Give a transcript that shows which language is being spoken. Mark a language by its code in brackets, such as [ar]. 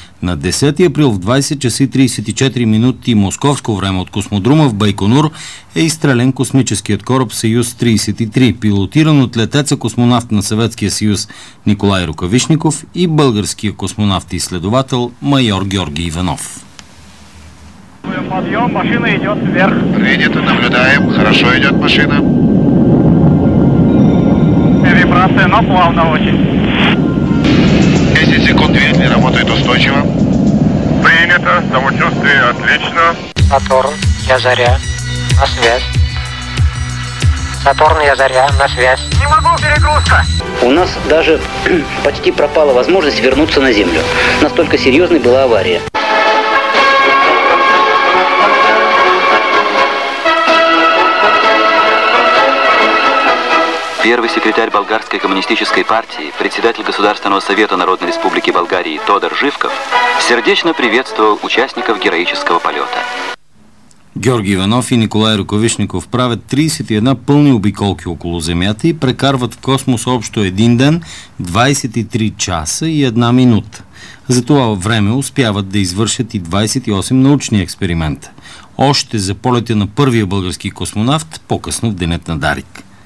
[bg] На 10 април в 20 часа 34 минути московско време от космодрума в Байконур е изстрелен космическият кораб Съюз-33, пилотиран от летеца-космонавт на Съветския съюз Николай Рукавишников и българския космонавт и изследовател майор Георги Иванов. [ru] Подъем, машина идет вверх. Принято, наблюдаем. Хорошо идет машина. Вибрация, но плавно очень. 10 секунд, двигатель работает устойчиво. Принято, самочувствие отлично. Сатурн, я заря, на связь. Сатурн, я заря, на связь. Не могу, перегрузка. У нас даже почти пропала возможность вернуться на Землю. Настолько серьезной была авария. Первый секретарь Болгарской коммунистической партии, председатель Государственного совета Народной Республики Болгарии Тодор Живков, сердечно приветствовал участников героического полета. [bg] Георги Иванов и Николай Рукавишников правят 31 пълни обиколки около Земята и прекарват в космос общо един ден, 23 часа и една минута. За това време успяват да извършат и 28 научни експеримента. Още за полета на първия български космонавт, по-късно в денят на Дарик.